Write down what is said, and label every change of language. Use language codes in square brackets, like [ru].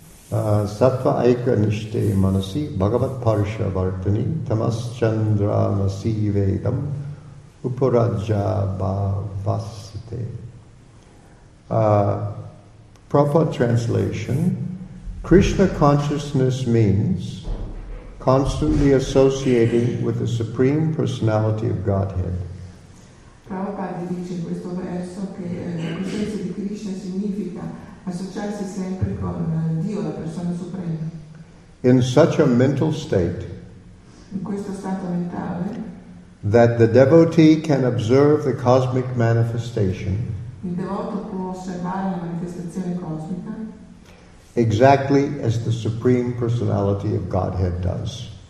[sa] Sattva aika nishte manasi bhagavat parsha vartani tamas chandra nasi vedam uparajya bhavasate. [en] Prabhupada translation, Krishna consciousness means constantly associating with the Supreme Personality of Godhead. [it] Prabhupada dice in questo verso che la coscienza di Krishna significa associarsi sempre con Dio, la persona suprema. [en] In such a mental state, [it] in questo stato mentale, [en] that the devotee can observe the cosmic manifestation, [it] il devoto può osservare la manifestazione cosmica, [en] exactly as the Supreme Personality of Godhead does.